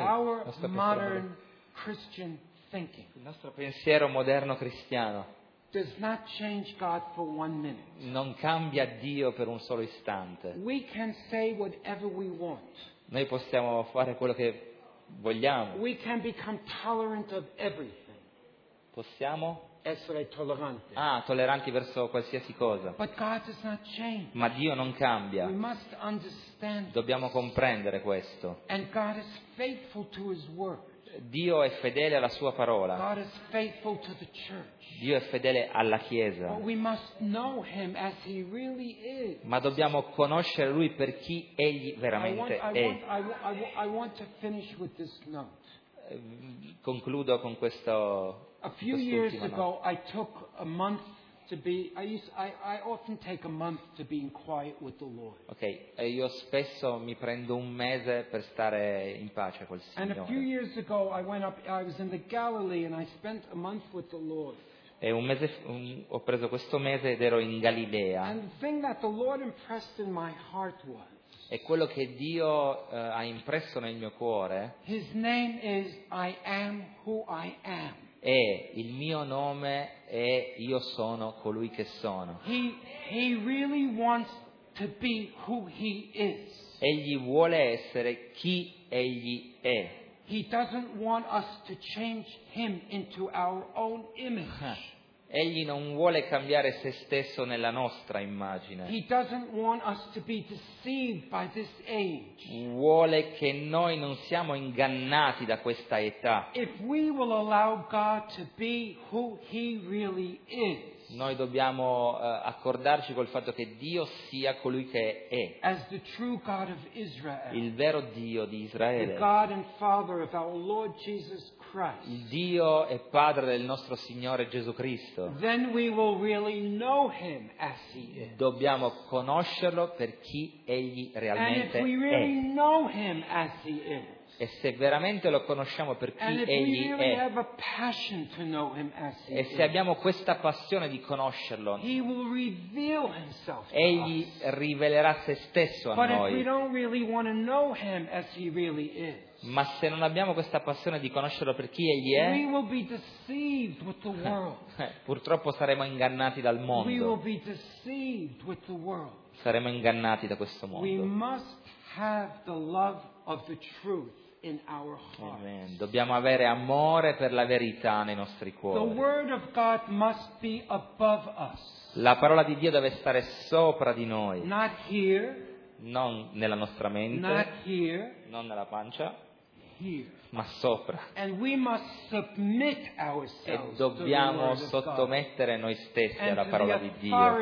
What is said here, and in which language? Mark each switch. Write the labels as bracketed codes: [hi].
[en] Our modern Christian thinking. [it] Il nostro pensiero moderno cristiano. [en] Does not change God for one minute. [it] Non cambia Dio per un solo istante. [en] We can say whatever we want. [it] Noi possiamo fare quello che vogliamo. [en] We can become tolerant of everything. [it] Possiamo essere tolleranti. Ah, tolleranti verso qualsiasi cosa. [en] But God does not change. [it] Ma Dio non cambia. [en] We must understand. [it] Dobbiamo comprendere questo. [en] And God is faithful to His word. [it] Dio è fedele alla sua parola. [en] God is faithful to the church. [it] Dio è fedele alla Chiesa. [en] But we must know him as he really is. [it] Ma dobbiamo conoscere lui per chi egli veramente è. [en] I want to finish with this note. [it] Concludo con questo. [en] A few years ago I took a month to be I often take a month to be in quiet with the Lord. [it] Okay, e io spesso mi prendo un mese per stare in pace col Signore. [en] And a few years ago I went up, I was in the Galilee and I spent a month with the Lord. [it] E un mese ho preso questo mese ed ero in Galilea. [en] And the thing that the Lord impressed in my heart was. [it] E quello che Dio ha impresso nel mio cuore. [en] His name is I am who I am. [it] E il mio nome è Io sono colui che sono. [en] He really wants to be who he is. [it] Egli vuole essere chi egli è. [en] He doesn't want us to change him into our own image. [it] Egli non vuole cambiare se stesso nella nostra immagine. [en] He doesn't want us to be deceived by this age. [it] Vuole che noi non siamo ingannati da questa età. [en] If we will allow God to be who he really is. [it] Noi dobbiamo accordarci col fatto che Dio sia colui che è. [en] As the true God of Israel. [it] Il vero Dio di Israele. [en] The God and Father of our Lord Jesus Christ. [it] Il Dio e Padre del nostro Signore Gesù Cristo. [en] Then we will really know him as he is. [it] Dobbiamo conoscerlo per chi egli realmente [en] and if we really [it] è. [en] Know him as he is. [it] E se veramente lo conosciamo per chi [en] and if [it] egli [en] we really [it] è. [en] Have a passion to know him as he [it] e se abbiamo questa passione di conoscerlo. [en] He will reveal himself to [it] egli [en] us. [it] Rivelerà se stesso a [en] but [it] noi. [en] But if we don't really want to know him as he really is. [it] Ma se non abbiamo questa passione di conoscerlo per chi egli è, [en] we will be deceived with the world. [it] Purtroppo saremo ingannati dal mondo. [en] We will be deceived with the world. [it] Saremo ingannati da questo mondo. [en] We must have the love of the truth in our hearts. Amen. [it] Dobbiamo avere amore per la verità nei nostri cuori. [en] The word of God must be above us. [it] La parola di Dio deve stare sopra di noi. [en] Not here. [it] Non nella nostra mente. [en] Not here. [it] Non nella pancia. [en] here. [it] Ma sopra. [en] And we must submit ourselves. [it] E dobbiamo sottomettere noi stessi alla parola di Dio.